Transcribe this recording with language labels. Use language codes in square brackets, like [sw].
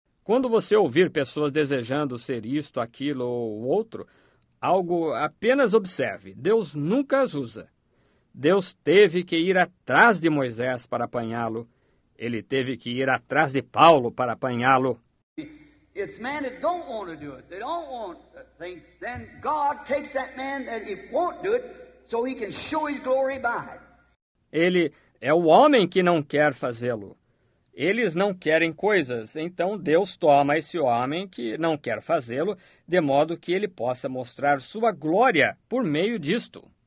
[pt] Quando você ouvir pessoas desejando ser isto, aquilo ou outro, algo apenas observe. Deus nunca as usa. Deus teve que ir atrás de Moisés para apanhá-lo. Ele teve que ir atrás de Paulo para apanhá-lo. [en] It's men that don't want to do it. They don't want things. Then God takes that man that he won't do it so he can show his glory by it. [pt] Ele é o homem que não quer fazê-lo. Eles não querem coisas, então Deus toma esse homem que não quer fazê-lo, de modo que ele possa mostrar sua glória por meio disto.